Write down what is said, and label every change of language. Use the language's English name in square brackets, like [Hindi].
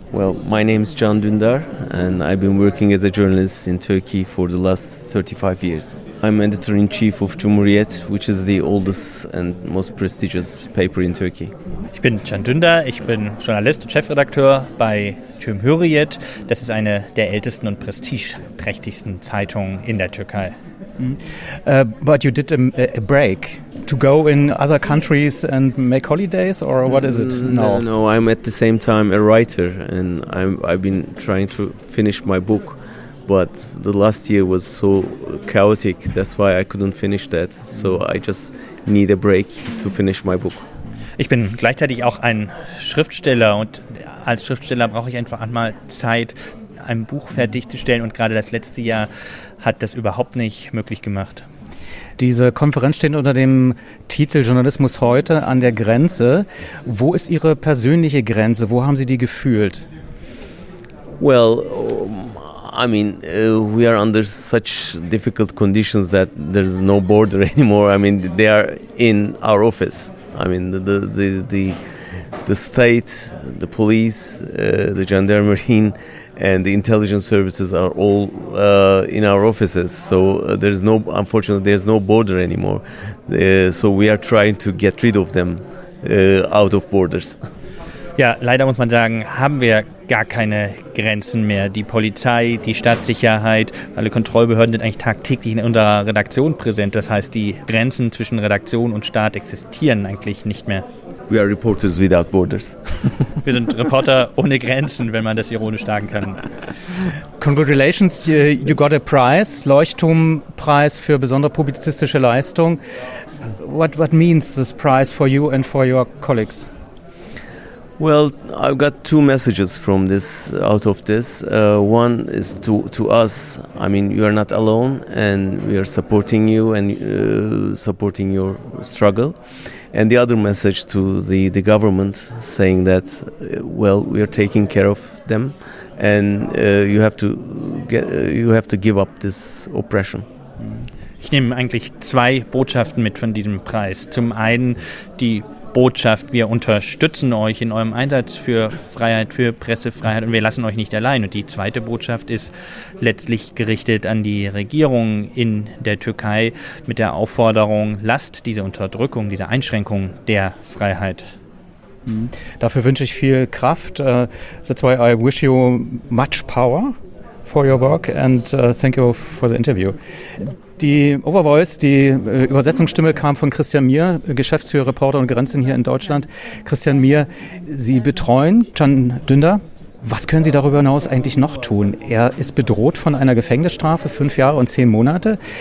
[English] Well, my name is Can Dündar, and I've been working as a journalist in Turkey for the last 35 years. I'm editor-in-chief of Cumhuriyet, which is the oldest and most prestigious paper in Turkey. [German] Ich bin Can Dündar, ich bin Journalist und Chefredakteur bei Cumhuriyet. Das ist eine der ältesten und prestigeträchtigsten Zeitungen in der Türkei. [English] But you did a break to go in other countries and make holidays, or what is it? No, I'm at the same time a writer, and I've been trying to finish my book, but the last year was so chaotic, that's why I couldn't finish that. So I just need a break to finish my book. [German] Ich bin gleichzeitig auch ein Schriftsteller, und als Schriftsteller brauche ich einfach einmal Zeit, ein Buch fertigzustellen, und gerade das letzte Jahr hat das überhaupt nicht möglich gemacht. Diese Konferenz steht unter dem Titel Journalismus heute an der Grenze. Wo ist Ihre persönliche Grenze? Wo haben Sie die gefühlt? [English] Well, I mean, we are under such difficult conditions that there's no border anymore. I mean, they are in our office. I mean, the state, the police, the gendarmerie, and the intelligence services are all in our offices. So there's no border anymore. So we are trying to get rid of them out of borders. [German] Ja, leider muss man sagen, haben wir gar keine Grenzen mehr. Die Polizei, die Staatssicherheit, alle Kontrollbehörden sind eigentlich tagtäglich in unserer Redaktion präsent. Das heißt, die Grenzen zwischen Redaktion und Staat existieren eigentlich nicht mehr. [English] We are reporters without borders. [German] Wir sind Reporter ohne Grenzen, wenn man das ironisch sagen kann. [English] Congratulations, you got a prize, Leuchtturmpreis für besondere publizistische Leistung. What means this prize for you and for your colleagues? Well, I've got two messages from this, out of this. One is to us. I mean, you are not alone, and we are supporting you and supporting your struggle. And the other message to the government, saying that, well, we are taking care of them, and you have to give up this oppression. [German] Ich nehme eigentlich zwei Botschaften mit von diesem Preis. Zum einen die Botschaft, wir unterstützen euch in eurem Einsatz für Freiheit, für Pressefreiheit, und wir lassen euch nicht allein. Und die zweite Botschaft ist letztlich gerichtet an die Regierung in der Türkei mit der Aufforderung, lasst diese Unterdrückung, diese Einschränkung der Freiheit. Dafür wünsche ich viel Kraft. [English] That's why I wish you much power for your work, and thank you for the interview. [German] Die Overvoice, die Übersetzungsstimme, kam von Christian Mier, Geschäftsführer, Reporter und Grenzen hier in Deutschland. Christian Mier, Sie betreuen Can Dündar. Was können Sie darüber hinaus eigentlich noch tun? Er ist bedroht von einer Gefängnisstrafe, 5 Jahre und 10 Monate.